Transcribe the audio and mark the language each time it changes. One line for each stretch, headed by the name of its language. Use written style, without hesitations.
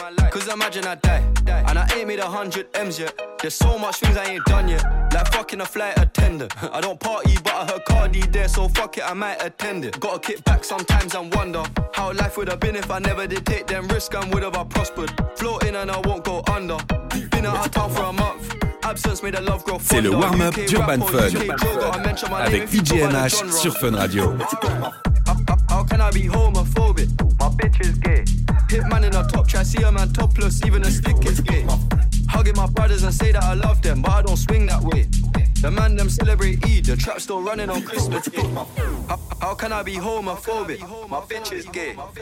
English: Cause imagine I die, and I ain't made 100 M's yet. There's so much things I ain't done yet, like fucking a flight attendant. I don't party, but I heard Cardi there, so fuck it, I might attend it. Gotta kick back sometimes and wonder how life would have been if I never did take them risks and would have I prospered. Floating and I won't go under. Been out of town for a month. Absence made the love grow fonder.
French: C'est le warm-up d'Urban Fun avec DJMH sur Fun Radio.
English: How can I be homophobic? My bitch is gay. Hitman in a top try, see a man topless, even a stick is gay. Hugging my brothers and say that I love them, but I don't swing that way. The man them celebrate Eid, the trap still running on Christmas Day. How can I be homophobic? My bitch is gay.